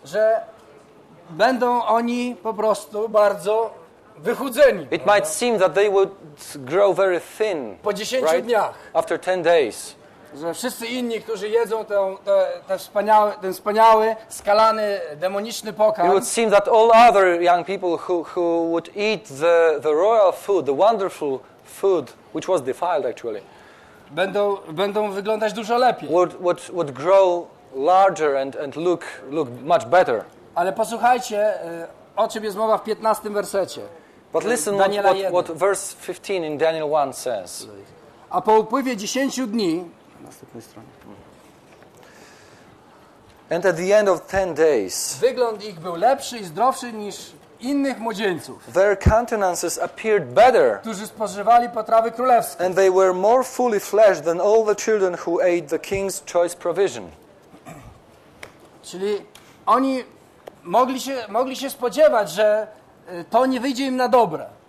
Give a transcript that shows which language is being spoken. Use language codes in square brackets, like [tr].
[pl] Że będą oni po prostu bardzo wychudzeni. [en] It might seem that they would grow very thin. [pl] Po 10 [en] right? [pl] dniach. [en] After 10 days. [pl] Że wszyscy inni, którzy jedzą ten wspaniały, skalany, demoniczny pokarm. [en] It would seem that all other young people who would eat the royal food, the wonderful food, which was defiled actually, [pl] będą wyglądać dużo lepiej. [en] Would grow larger and look much better. [pl] Ale posłuchajcie, o czym jest mowa w 15 wersecie. [en] But listen what verse 15 in Daniel 1 says. [pl] A po upływie 10 dni, na następnej stronie. [en] And at the end of 10 days, [pl] wygląd ich był lepszy i zdrowszy niż innych młodzieńców. [en] Their countenances appeared better. [pl] Którzy spożywali potrawy królewskie. [en] And they were more fully fleshed than all the children who ate the king's choice provision. [pl] Czyli oni mogli się spodziewać, że to nie wyjdzie im na dobre.